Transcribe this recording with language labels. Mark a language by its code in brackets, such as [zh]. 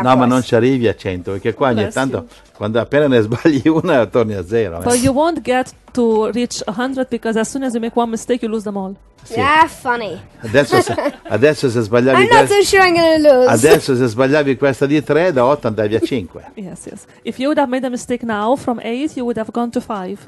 [it] no, ma non ci arrivi a 100, perché qua ogni tanto, quando appena ne sbagli una, torni a zero. [en] But you won't get to reach 100, because as soon as you make one mistake, you lose them all. Sì. Yeah, funny. [it] Adesso se sbagliavi [en] I'm not so sure I'm gonna lose. [it] Adesso se sbagliavi questa di 3, da 8 andavi a 5. [en] Yes, yes. If you would have made a mistake now from 8, you would have gone to 5.